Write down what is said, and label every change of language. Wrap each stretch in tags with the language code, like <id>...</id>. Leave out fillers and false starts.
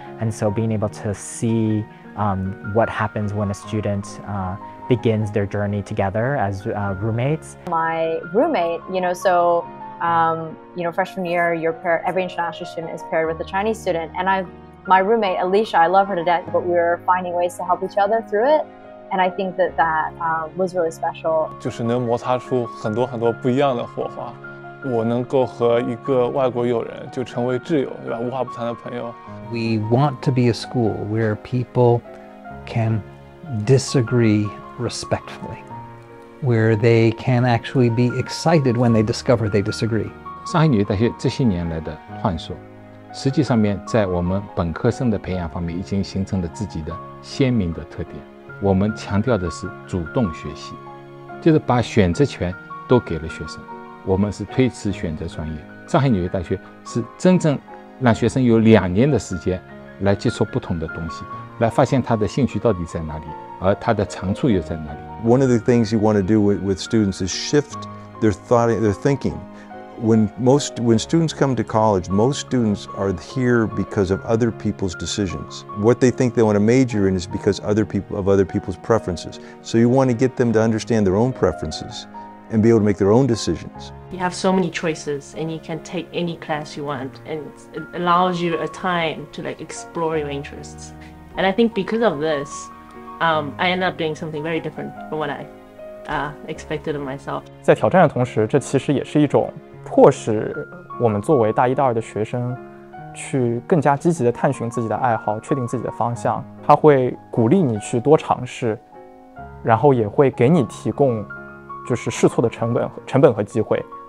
<en>And so being able to see what happens when a student begins their journey together as roommates. My roommate, you know, so, you know, freshman year, every international student is paired with a Chinese student. And my roommate, Alicia, I love her to death, but we were finding ways to help each other through it. And I think that was really special.</en> <zh>就是能摩擦出很多很多不一样的火花。我能够和一个外国友人就成为挚友，对吧？无话不谈的朋友。</zh> <en>We want to be a school where people can disagree respectfully, where they can actually be excited when they discover they disagree.</en> <zh>上海纽约大学这些年来的探索，实际上面在我们本科生的培养方面已经形成了自己的鲜明的特点。我们强调的是主动学习，就是把选择权都给了学生。我们是推迟选择专业。上海纽约大学是真正让学生有两年的时间来接触不同的东西，来发现他的兴趣到底在哪里。</zh> <en>One of the things you want to do with students is shift their thinking. When students come to college, most students are here because of other people's decisions. What they think they want to major in is because other people's preferences. So you want to get them to understand their own preferences and be able to make their own decisions. You have so many choices and you can take any class you want, and it allows you a time to like explore your interests. And I think because of this, I end up doing something very different from what I expected of myself.</en> <zh>在挑战的同时，这其实也是一种迫使我们作为大一大二的学生去更加积极地探寻自己的爱好，确定自己的方向。它会鼓励你去多尝试，然后也会给你提供就是试错的成本和机会。</zh>